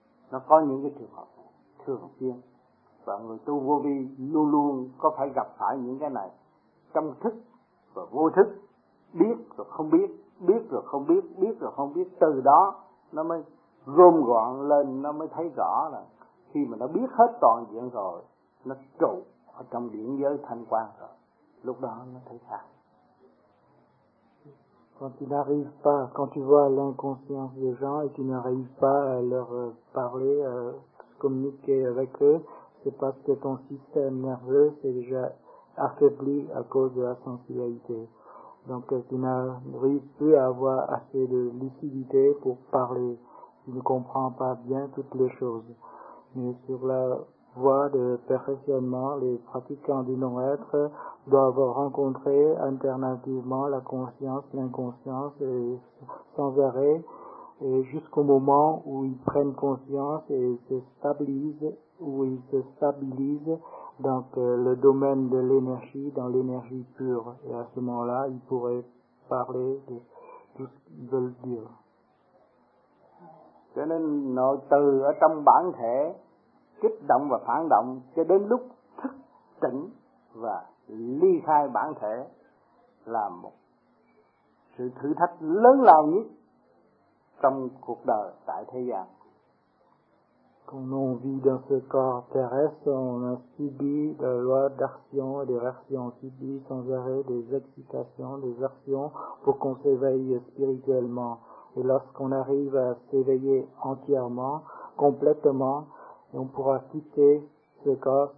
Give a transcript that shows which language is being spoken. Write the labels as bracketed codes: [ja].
[vi] Nó có những cái trường hợp này, thường xuyên. Và người tu vô vi luôn luôn có phải gặp phải những cái này, trong thức và vô thức, biết rồi không biết, biết rồi không biết, biết rồi không biết. Từ đó nó mới gom gọn lên, nó mới thấy rõ là khi mà nó biết hết toàn diện rồi, nó trụ ở trong điển giới thanh quang rồi, lúc đó nó thấy khác. [fr] Quand tu n'arrives pas, quand tu vois l'inconscience des gens et tu n'arrives pas à leur parler, à communiquer avec eux, c'est parce que ton système nerveux s'est déjà affaibli à cause de la sensibilité. Donc tu n'arrives plus à avoir assez de lucidité pour parler. Tu ne comprends pas bien toutes les choses. Mais sur la voie de perfectionnement, les pratiquants du non-être doit avoir rencontré alternativement la conscience, l'inconscience, et sans arrêt, et jusqu'au moment où ils prennent conscience et se stabilisent, où ils se stabilisent dans le domaine de l'énergie, dans l'énergie pure. Et à ce moment-là, ils pourraient parler de tout ce qu'ils veulent dire. [vi] Cho nên, nội từ ở trong bản thể, kích động và phản động, cho đến lúc thức tỉnh và ly khai bản thể là một sự thử thách lớn lao nhất trong cuộc đời tại thế gian. [fr] Quand on vit dans ce corps terrestre, on a subi la loi d'action et de réaction, subi sans arrêt des excitations, des actions pour qu'on s'éveille spirituellement. Et lorsqu'on arrive à s'éveiller entièrement, complètement, on pourra quitter ce corps.